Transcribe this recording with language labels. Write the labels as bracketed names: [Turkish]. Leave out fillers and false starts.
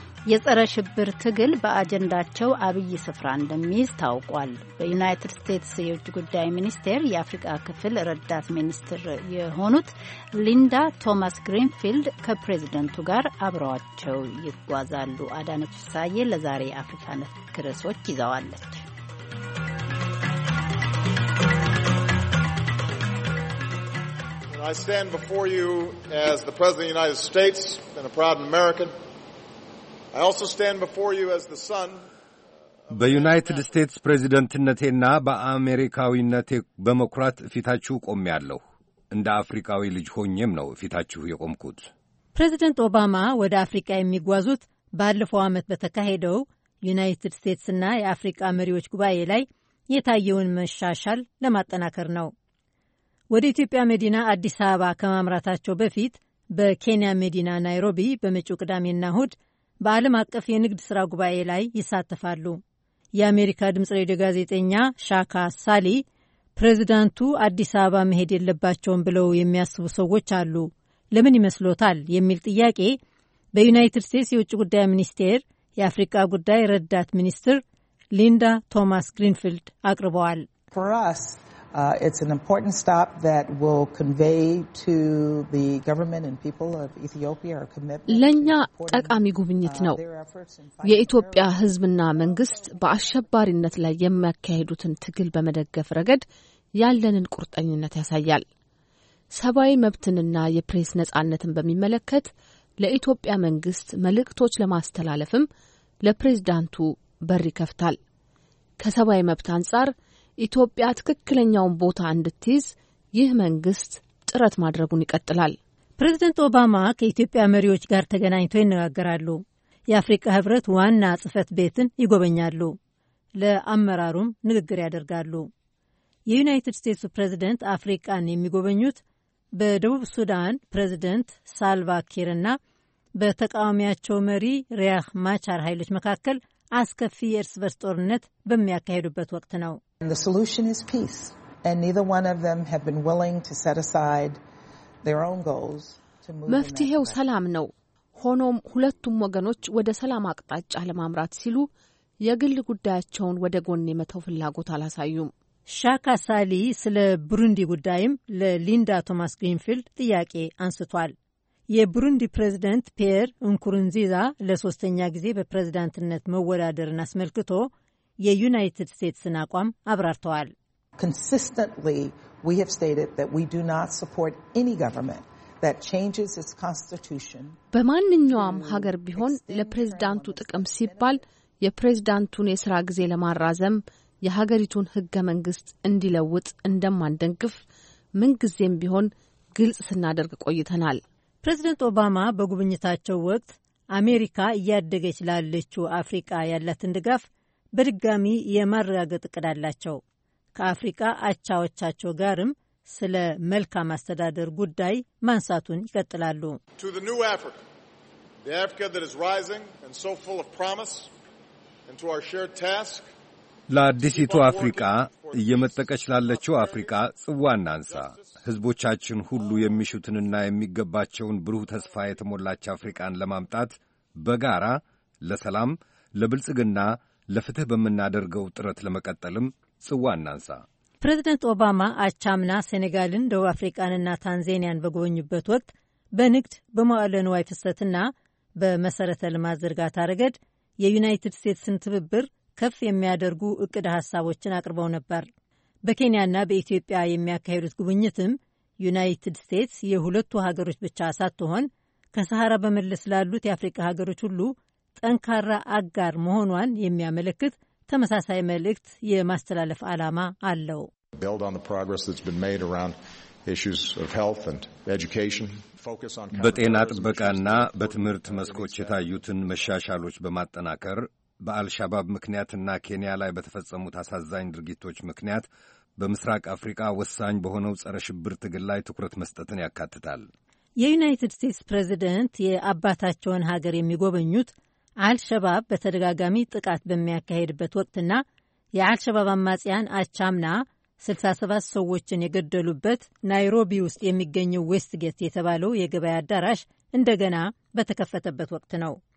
[Amharic] የጸረ ሽብር ትግል በአጀንዳቸው አብይ ስፍራ እንደሚይዝ ታውቋል። በዩናይትድ ስቴትስ የውጭ ጉዳይ ሚኒስቴር የአፍሪካ ክፍል ረዳት ሚኒስትር የሆኑት ሊንዳ ቶማስ ግሪንፊልድ ከፕሬዝደንቱ ጋር አብረዋቸው ይጓዛሉ። አዳነች ሳዬ ለዛሬ አፍሪካ ነክ ርዕሶች ይዘዋለች። [English] I stand before you as the President of the United States and a proud American. I also stand before you as the son [Amharic] በዩናይትድ ስቴትስ ፕሬዚደንትነቴና በአሜሪካዊነቴ በመኩራት ፊታችሁ ቆሜያለሁ። እንደ አፍሪካዊ ልጅ ሆኜም ነው ፊታችሁ የቆምኩት። ፕሬዚደንት ኦባማ ወደ አፍሪካ የሚጓዙት ባለፈው ዓመት በተካሄደው ዩናይትድ ስቴትስና የአፍሪካ መሪዎች ጉባኤ ላይ የታየውን መሻሻል ለማጠናከር ነው። ወደ ኢትዮጵያ መዲና አዲስ አበባ ከመምራታቸው በፊት በኬንያ መዲና ናይሮቢ በመጪው ቅዳሜና እሁድ በዓለም አቀፍ የንግድ ሥራ ጉባኤ ላይ ይሳተፋሉ። የአሜሪካ ድምፅ ሬዲዮ ጋዜጠኛ ሻካ ሳሊ ፕሬዚዳንቱ አዲስ አበባ መሄድ የለባቸውም ብለው የሚያስቡ ሰዎች አሉ፣ ለምን ይመስሎታል የሚል ጥያቄ በዩናይትድ ስቴትስ የውጭ ጉዳይ ሚኒስቴር የአፍሪካ ጉዳይ ረዳት ሚኒስትር ሊንዳ ቶማስ ግሪንፊልድ አቅርበዋል። [English] It's an important stop that will convey to the government and people of Ethiopia our commitment. [Amharic] ለኛ ጠቃሚ ጉብኝት ነው። የኢትዮጵያ ሕዝብና መንግስት በአሸባሪነት ላይ የሚያካሂዱትን ትግል በመደገፍ ረገድ ያለንን ቁርጠኝነት ያሳያል። ሰብአዊ መብትንና የፕሬስ ነጻነትን በሚመለከት ለኢትዮጵያ መንግስት መልእክቶች ለማስተላለፍም ለፕሬዝዳንቱ በር ይከፍታል። ከሰብአዊ መብት አንጻር ኢትዮጵያ ትክክለኛውን ቦታ እንድትይዝ ይህ መንግስት ጥረት ማድረጉን ይቀጥላል። ፕሬዝደንት ኦባማ ከኢትዮጵያ መሪዎች ጋር ተገናኝተው ይነጋገራሉ። የአፍሪካ ህብረት ዋና ጽህፈት ቤትን ይጎበኛሉ። ለአመራሩም ንግግር ያደርጋሉ። የዩናይትድ ስቴትስ ፕሬዝደንት አፍሪካን የሚጎበኙት በደቡብ ሱዳን ፕሬዝደንት ሳልቫ ኪርና በተቃዋሚያቸው መሪ ሪያክ ማቻር ኃይሎች መካከል አስከፊ የእርስ በርስ ጦርነት በሚያካሄዱበት ወቅት ነው። [English] And the solution is peace. And neither one of them have been willing to set aside their own goals to move. [Amharic] መፍትሄው ሰላም ነው። ሆኖም ሁለቱም ወገኖች ወደ ሰላም አቅጣጫ ለማምራት ሲሉ የግል ጉዳያቸውን ወደ ጎን የመተው ፍላጎት አላሳዩም። ሻካ ሳሊ ስለ ብሩንዲ ጉዳይም ለሊንዳ ቶማስ ግሪንፊልድ ጥያቄ አንስቷል። የብሩንዲ ፕሬዝዳንት ፒየር እንኩሩንዚዛ ለሶስተኛ ጊዜ በፕሬዝዳንትነት መወዳደርን አስመልክቶ የዩናይትድ ስቴትስን አቋም አብራርተዋል። [English] Consistently we have stated that we do not support any government that changes its constitution. [Amharic] በማንኛውም ሀገር ቢሆን ለፕሬዝዳንቱ ጥቅም ሲባል የፕሬዝዳንቱን የሥራ ጊዜ ለማራዘም የሀገሪቱን ሕገ መንግሥት እንዲለውጥ እንደማንደግፍ ምን ጊዜም ቢሆን ግልጽ ስናደርግ ቆይተናል። ፕሬዝዳንት ኦባማ በጉብኝታቸው ወቅት አሜሪካ እያደገች ላለችው አፍሪካ ያላትን ድጋፍ በድጋሚ የማረጋገጥ ቅድ አላቸው። ከአፍሪካ አቻዎቻቸው ጋርም ስለ መልካም አስተዳደር ጉዳይ ማንሳቱን ይቀጥላሉ። [English] To the new Africa, the Africa that is rising and so full of promise, and to our shared task, [Amharic] ለአዲሲቱ አፍሪካ እየመጠቀች ላለችው አፍሪካ ጽዋና አንሳ ህዝቦቻችን ሁሉ የሚሹትንና የሚገባቸውን ብሩህ ተስፋ የተሞላች አፍሪካን ለማምጣት በጋራ ለሰላም ለብልጽግና ለፍትህ በመናደርገው ጥረት ለመቀጠልም ጽዋና አንሳ። ፕሬዝዳንት ኦባማ አቻምና ሴኔጋልን ደቡብ አፍሪካንና ታንዛኒያን በጎበኙበት ወቅት በንግድ በመዋዕለ ንዋይ ፍሰትና በመሰረተ ልማት ዝርጋታ ረገድ የዩናይትድ ስቴትስን ትብብር ከፍ የሚያደርጉ እቅድ ሐሳቦችን አቅርበው ነበር። በኬንያና በኢትዮጵያ የሚያካሄዱት ጉብኝትም ዩናይትድ ስቴትስ የሁለቱ ሀገሮች ብቻ ሳትሆን ከሰሃራ በመለስ ላሉት የአፍሪካ ሀገሮች ሁሉ ጠንካራ አጋር መሆኗን የሚያመለክት ተመሳሳይ መልእክት የማስተላለፍ ዓላማ አለው። [English] Build on the progress that's been made around issues of health and education. [Amharic] በጤና ጥበቃና በትምህርት መስኮች የታዩትን መሻሻሎች በማጠናከር በአልሻባብ ምክንያትና ኬንያ ላይ በተፈጸሙት አሳዛኝ ድርጊቶች ምክንያት በምስራቅ አፍሪካ ወሳኝ በሆነው ጸረ ሽብር ትግል ላይ ትኩረት መስጠትን ያካትታል። የዩናይትድ ስቴትስ ፕሬዚደንት የአባታቸውን ሀገር የሚጎበኙት አልሻባብ በተደጋጋሚ ጥቃት በሚያካሄድበት ወቅትና የአልሻባብ አማጽያን አቻምና 67 ሰዎችን የገደሉበት ናይሮቢ ውስጥ የሚገኘው ዌስትጌት የተባለው የገበያ አዳራሽ እንደገና በተከፈተበት ወቅት ነው።